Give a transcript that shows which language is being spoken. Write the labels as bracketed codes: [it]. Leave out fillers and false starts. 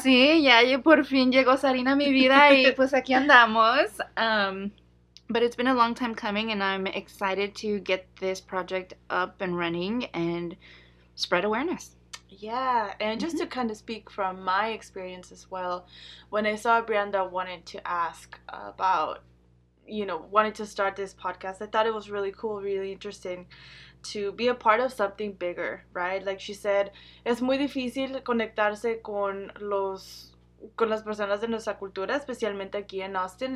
[es] Sí, ya yo por fin llegó Sarina a mi vida y pues aquí andamos. [en] But it's been a long time coming and I'm excited to get this project up and running and spread awareness. Yeah, and just to kind of speak from my experience as well, when I saw Brianda wanted to ask about, you know, wanted to start this podcast, I thought it was really cool, really interesting to be a part of something bigger, right? Like she said, [es] es muy difícil conectarse con los con las personas de nuestra cultura, especialmente aquí en Austin.